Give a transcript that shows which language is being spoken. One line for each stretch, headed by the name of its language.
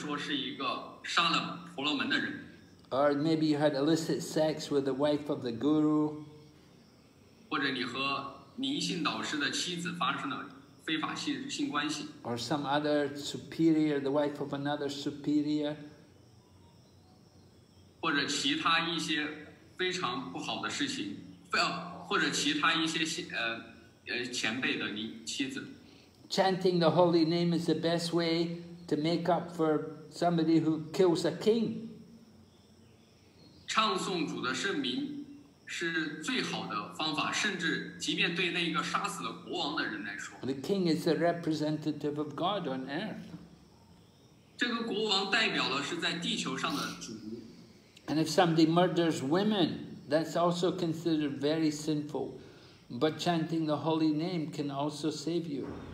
Chinese: 即便你偷了金子，或者是一个酗酒者，或者说是一个杀了婆罗门的人。
English: Or maybe you had illicit sex with the wife of the guru.
Chinese: 或者你和灵性导师的妻子发生了非法性关系。
English: Or some other superior, the wife of another superior.
Chinese: 或者其他一些非常不好的事情，或者其他一些前辈的妻子。
English: Chanting the holy name is the best way to make up for somebody who kills a king.
Chinese: 唱诵主的圣名是最好的方法，甚至即便对那个杀死了国王的人来说。
English: The king is the representative of God on earth.
Chinese: 这个国王代表了是在地球上的主。
English: And if somebody murders women, that's also considered very sinful. But chanting the holy name can also save you.